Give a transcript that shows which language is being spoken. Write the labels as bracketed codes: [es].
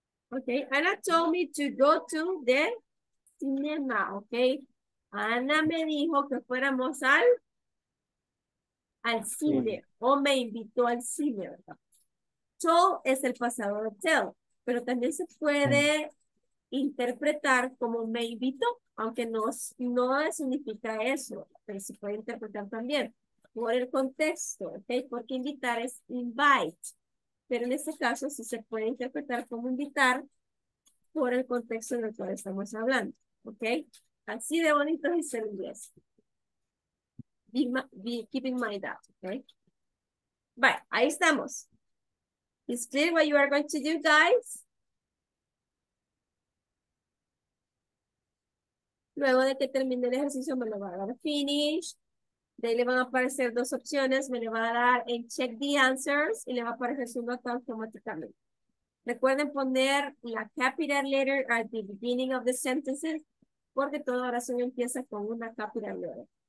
[en] Okay, Ana told me to go to the cinema, okay? [es] Ana me dijo que fuéramos al cine, o me invitó al cine, ¿verdad? To es el pasado de tell, pero también se puede interpretar como me invitó, aunque no significa eso, pero se puede interpretar también por el contexto, ¿okay? Porque invitar es invite, pero en este caso sí se puede interpretar como invitar por el contexto en el cual estamos hablando, ¿ok? Así de bonito es el inglés. [en] Keep in mind that, [es] ¿ok? Vale, ahí estamos. [en] Is clear what you are going to do, guys? [es] Luego de que termine el ejercicio, me lo va a dar finish. De ahí le van a aparecer dos opciones. Me le va a dar en [en] check the answers [es] y le va a aparecer su nota automáticamente. Recuerden poner la capital letter [en] at the beginning of the sentences [es] porque toda oración empieza con una capital letter.